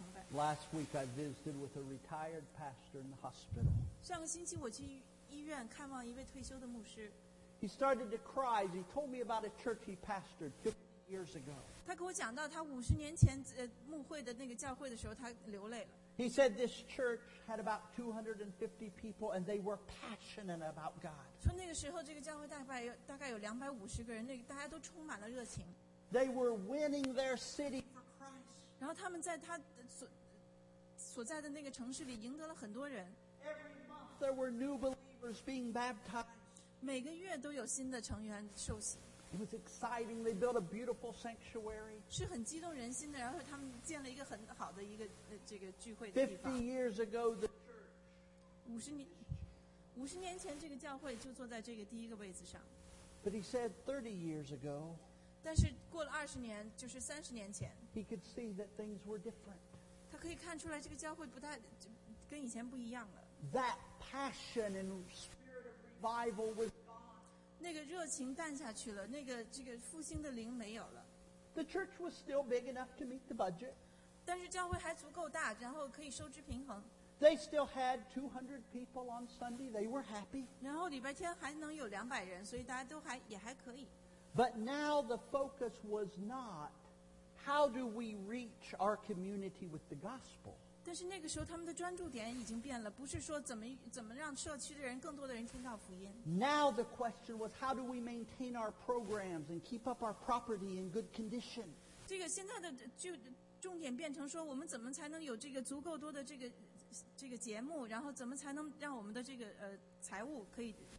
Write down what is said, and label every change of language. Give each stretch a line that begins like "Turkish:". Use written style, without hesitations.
English: Last week I visited with a retired pastor in the hospital.
Chinese: 上个星期我去医院看望一位退休的牧师。
English: He started to cry. He told me about a church he pastored 50 years ago.
Chinese: 他跟我讲到他五十年前牧会的那个教会的时候，他流泪了。
English: He said this church had about 250 people, and they were passionate about God.
Chinese: 说那个时候这个教会大概有250个人，那个大家都充满了热情。
English: They were winning their city for Christ.
Chinese: 然后他们在他所在的那个城市里赢得了很多人。
English: Every month there were new believers being baptized.
Chinese: 每个月都有新的成员受洗。
English: It was exciting. They built a beautiful sanctuary.
Chinese: 是很激动人心的。然后他们建了一个很好的一个这个聚会的地
English: 方。50 years ago, the church.
Chinese: 五十年前，这个教会就坐在这个第一个位置上。
English: But he said 30 years ago.
Chinese: 但是过了二十年，就是三十年前，
English: He could see that things were different.
Chinese: 他可以看出来这个教会不太就跟以前不一样了。
English: That passion and spirit of revival was gone.
Chinese: 那个热情淡下去了，那个这个复兴的灵没有了。
English: The church was still big enough to meet the budget.
Chinese: 但是教会还足够大，然后可以收支平衡。
English: They still had 200 people on Sunday. They were happy.
Chinese: 然后礼拜天还能有两百人，所以大家都还也还可以。
English: But now the focus was not how do we reach our community with the gospel.
Chinese: 但是那个时候他们的专注点已经变了，不是说怎么让社区的人更多的人听到福音。
English: Now the question was how do we maintain our programs and keep up our property in good condition.
Chinese: 这个现在的就重点变成说我们怎么才能有这个足够多的这个节目，然后怎么才能让我们的这个财务可以。